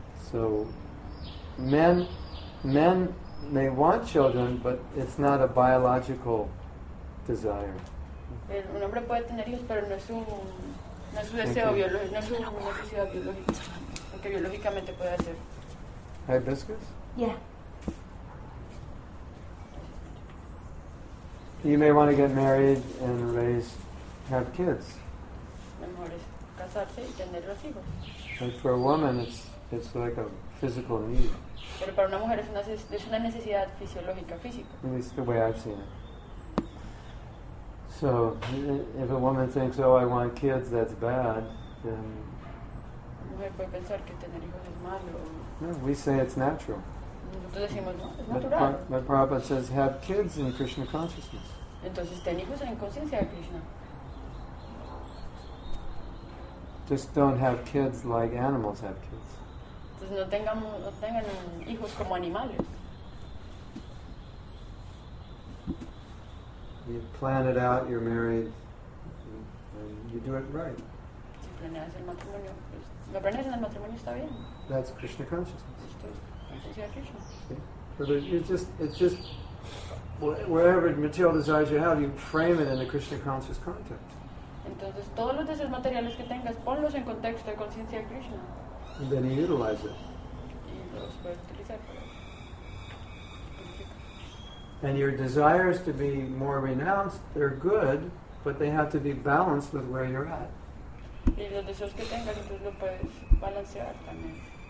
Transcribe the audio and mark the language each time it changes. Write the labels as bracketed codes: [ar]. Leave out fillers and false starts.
[en] So, men may want children, but it's not a biological desire. [es] Un hombre puede tener hijos, pero no es su deseo biológico, no es su necesidad biológica, aunque biológicamente puede hacer. [en] Hibiscus? Yeah. You may want to get married and raise, have kids. [es] Mejor es casarse y tener los hijos. [en] But for a woman, it's like a physical need. [es] Pero para una mujer es una necesidad fisiológica, física. [en] At least the way I've seen it. So, if a woman thinks, oh, I want kids, that's bad, then... [es] Mujer puede pensar que tener hijos es malo. [en] No, we say it's natural. But Prabhupada says, have kids in Krishna consciousness. [es] Entonces, ten hijos en conciencia de Krishna. [en] Just don't have kids like animals have kids. [es] Entonces, no tengamos, no tengan hijos como animales. [en] You plan it out, you're married, and you do it right. [es] Si planeas el matrimonio, pues, lo planeas en el matrimonio, está bien. [en] That's Krishna consciousness. [es] Krishna. [en] Okay. So it's just whatever material desires you have, you frame it in the Krishna conscious context. [es] Entonces, todos los deseos materiales que tengas, ponlos en contexto de conciencia de Krishna. [en] And then you utilize it. [es] Y los puedes utilizar para... [en] And your desires to be more renounced, they're good, but they have to be balanced with where you're at. [es] Y los deseos que tengas, entonces lo puedes balancear también.